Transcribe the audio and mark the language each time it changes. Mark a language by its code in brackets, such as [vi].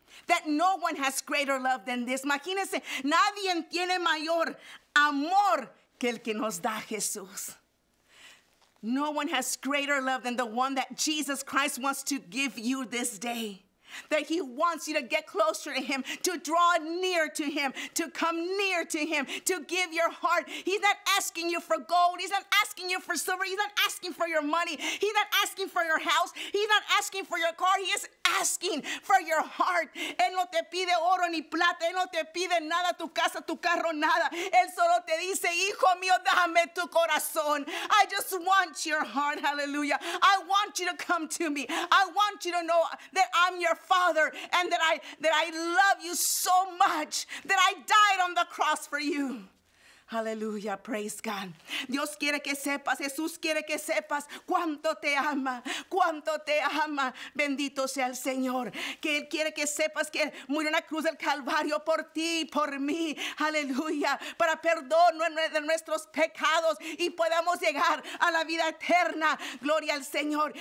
[en] That no one has greater love than this. [es] Imagínense, nadie tiene mayor amor que el que nos da Jesús. [en] No one has greater love than the one that Jesus Christ wants to give you this day. That He wants you to get closer to Him, to draw near to Him, to come near to Him, to give your heart. He's not asking you for gold. He's not asking you for silver. He's not asking for your money. He's not asking for your house. He's not asking for your car. He is asking for your heart. [es] Él no te pide oro ni plata. Él no te pide nada, tu casa, tu carro, nada. Él solo te dice, hijo mío, dame tu corazón. [en] I just want your heart, hallelujah. I want you to come to me. I want you to know that I'm your Father and that I love you so much that I died on the cross for you. Aleluya, praise God. [es] Dios quiere que sepas, Jesús quiere que sepas cuánto te ama, bendito sea el Señor. Que Él quiere que sepas que murió en la cruz del Calvario por ti y por mí, aleluya, para perdón de nuestros pecados y podamos llegar a la vida eterna, gloria al Señor.